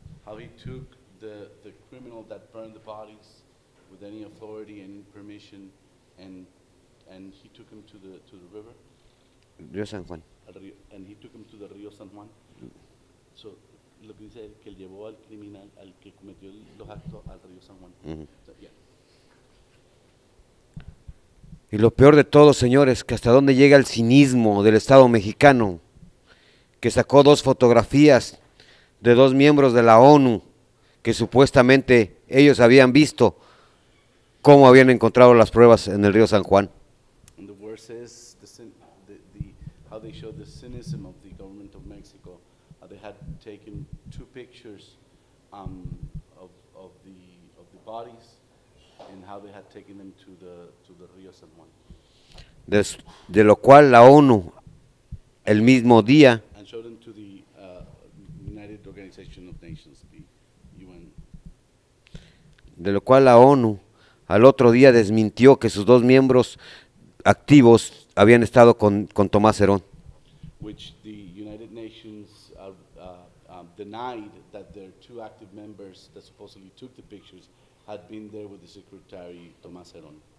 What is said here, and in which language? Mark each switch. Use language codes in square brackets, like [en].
[en] How he took the criminal that burned the bodies with any authority and permission and he took him to the river? [es] Río San Juan. [en] And he took him to the río San Juan. [es] So, lo que dice es que llevó al criminal, al que cometió los actos, al río San Juan. Y lo peor de todo, señores, que hasta dónde llega el cinismo del Estado mexicano, que sacó dos fotografías de dos miembros de la ONU, que supuestamente ellos habían visto cómo habían encontrado las pruebas en el río San Juan. [en] And the worst is the how they showed the cynism of the government of Mexico. They had taken two pictures of the bodies. And how they had taken them to the Rio San Juan. [es] De lo cual la ONU el mismo día [en] and showed them to the United Organization of Nations, the UN. [es] De lo cual la ONU al otro día desmintió que sus dos miembros activos habían estado con Tomás Herón. [en] Which the United Nations denied that their two active members that supposedly took the pictures had been there with the secretary Tomás Herón.